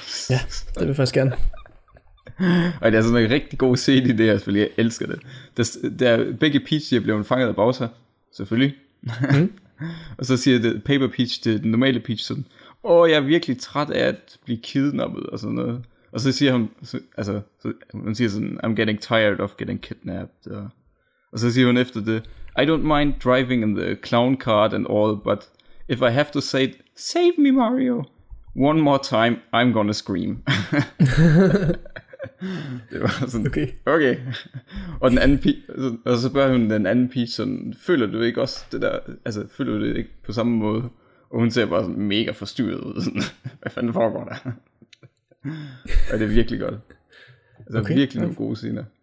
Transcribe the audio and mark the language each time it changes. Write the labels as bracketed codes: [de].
[da] Ja, det vil jeg faktisk gerne. Og det er sådan en rigtig god scene i det her, fordi jeg elsker det. Der begge Peach, der bliver fanget af Bowser, selvfølgelig. Og så siger det Paper Peach til den normale Peach sådan, jeg er virkelig træt af at blive kidnappet og sådan noget. Og så siger hun siger sådan, [en] I'm getting tired of getting kidnapped. [da] Og så siger hun efter det, [en] I don't mind driving in the clown car and all, but if I have to say, save me Mario, one more time, I'm gonna scream. [da] Det var sådan, okay. Okay. Og den anden pige, og så spørger hun den anden pige sådan, føler du ikke også det der, altså føler du det ikke på samme måde? Og hun ser bare sådan mega forstyrret ud, sådan, hvad fanden foregår der? Og det er virkelig godt. Altså okay. Virkelig nogle gode scener.